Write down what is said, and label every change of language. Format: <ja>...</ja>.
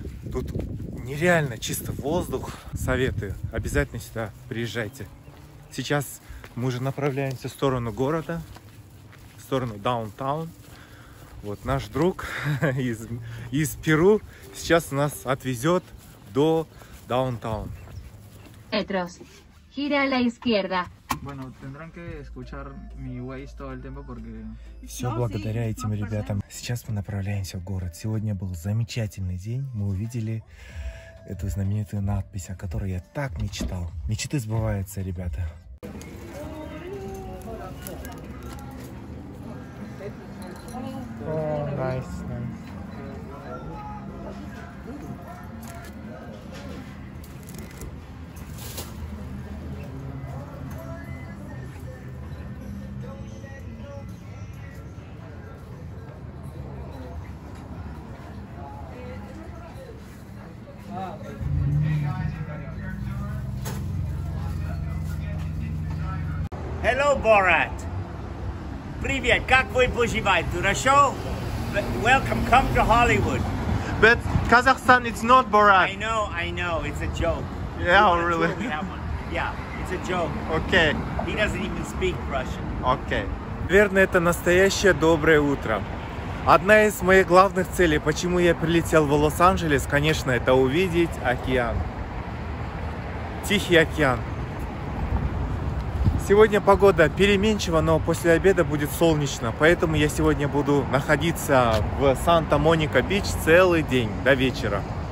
<ru>Тут нереально чистый воздух, советую, обязательно сюда приезжайте. Сейчас мы уже направляемся в сторону города, в сторону даунтаун. Вот наш друг из Перу сейчас нас отвезет до Даунтаун.</ru> <es>Петрос, gira a la izquierda. Bueno, tendrán que escuchar mi Waze todo el tiempo porque...</es> <ru>Все благодаря этим ребятам. Сейчас мы направляемся в город. Сегодня был замечательный день. Мы увидели эту знаменитую надпись, о которой я так мечтал. Мечты сбываются, ребята.</ru> <en>Hello, Borat.</en> <ru>Привет, как вы поживаете? Хорошо?</ru> <en>Welcome, come to Hollywood. But Kazakhstan, it's not Borat. I know, it's a joke. Yeah, oh, really? Joke, yeah, it's a joke. Okay. He doesn't even speak Russian. Okay.</en> <ru>Наверное, это настоящее доброе утро. Одна из моих главных целей, почему я прилетел в Лос-Анджелес, конечно, это увидеть океан. Тихий океан. Сегодня погода переменчива, но после обеда будет солнечно, поэтому я сегодня буду находиться в Санта-Моника-Бич целый день, до вечера.</ru>